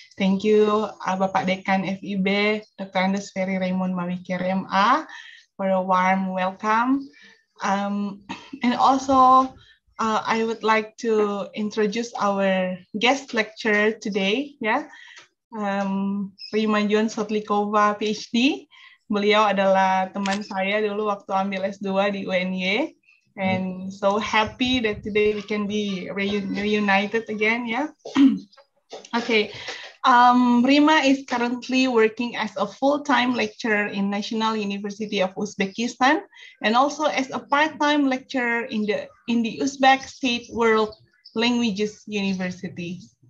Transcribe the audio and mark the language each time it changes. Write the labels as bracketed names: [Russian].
[English] Thank you, Bapak Dekan FIB, Dr. Andes Ferry Raymond Mawikir MA, for a warm welcome. And also, I would like to introduce our guest lecturer today. Yeah. Rima Jun Sotlikova, PhD. [Indonesian] Beliau adalah teman saya dulu waktu ambil S2 di UNY. [English] And so happy that today we can be reunited again, yeah. Okay. Rima is currently working as a full-time lecturer in National University of Uzbekistan and also as a part-time lecturer in the Uzbek State World Languages University.